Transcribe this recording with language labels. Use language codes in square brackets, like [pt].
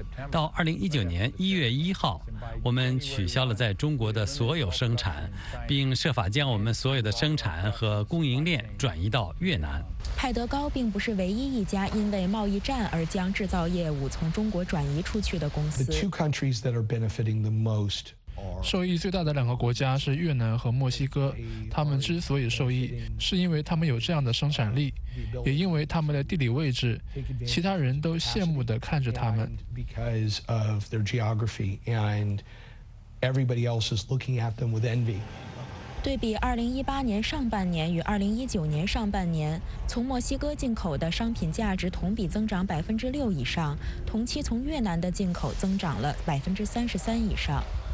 [zh] 到2019年1月1号，我们取消了在中国的所有生产，并设法将我们所有的生产和供应链转移到越南。派德高并不是唯一一家因为贸易战而将制造业务从中国转移出去的公司。 [en] The two countries that are benefiting the most are [zh] 受益最大的两个国家是越南和墨西哥。他们之所以受益，是因为他们有这样的生产力，也因为他们的地理位置，其他人都羡慕地看着他们。 [en] Because of their geography and everybody else is looking at them with envy. [zh] 对比2018年上半年与2019年上半年，从墨西哥进口的商品价值同比增长6%以上，同期从越南的进口增长了33%以上。